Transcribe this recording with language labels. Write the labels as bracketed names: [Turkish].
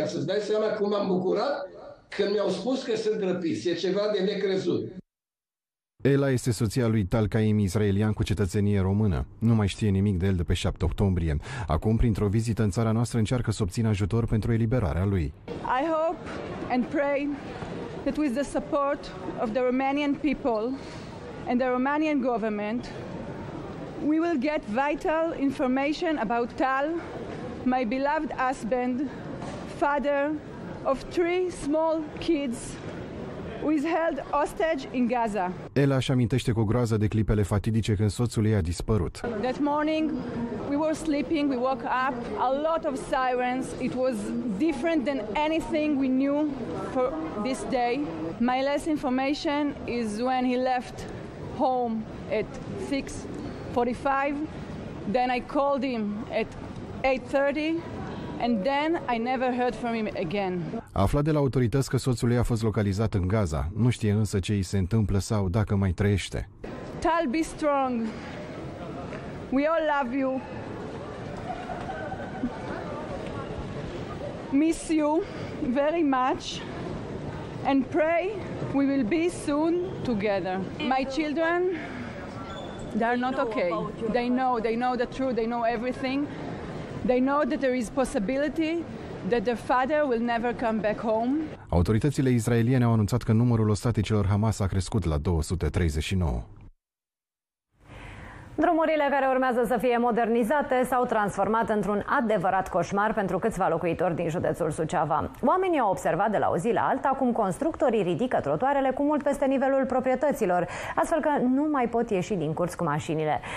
[Romanian] Ca să-ți dai seama cum am bucurat când mi-au spus că sunt răpiți. E ceva de necrezut. Ela este soția lui Tal Kaim, israelian cu cetățenie română. Nu mai știe nimic de el de pe 7 octombrie. Acum, printr-o vizită în țara noastră, încearcă să obțină ajutor pentru eliberarea lui. [English] I hope and pray that with the support of the Romanian people and the Romanian government, we will get vital information about Tal, my beloved husband, father of three small kids who is held hostage in Gaza. [Romanian] Ela își amintește cu groază de clipele fatidice când soțul ei a dispărut. [English] That morning we were sleeping, we woke up, a lot of sirens. It was different than anything we knew for this day. My last information is when he left home at 6:45. Then I called him at 8:30. And then I never heard from him again. [Romanian] Aflat de la autorități că soțul ei a fost localizat în Gaza, nu știe însă ce îi se întâmplă sau dacă mai trăiește. [English] Tal, be strong. We all love you. Miss you very much. And pray we will be soon together. My children, they are not okay. They know the truth, they know everything. They know that there is possibility that their father will never come back home. [Romanian] Autoritățile israeliene au anunțat că numărul ostaticilor Hamas a crescut la 239. Drumurile care urmează să fie modernizate s-au transformat într-un adevărat coșmar pentru câțiva locuitori din județul Suceava. Oamenii au observat de la o zi la alta cum constructorii ridică trotuarele cu mult peste nivelul proprietăților, astfel că nu mai pot ieși din curs cu mașinile.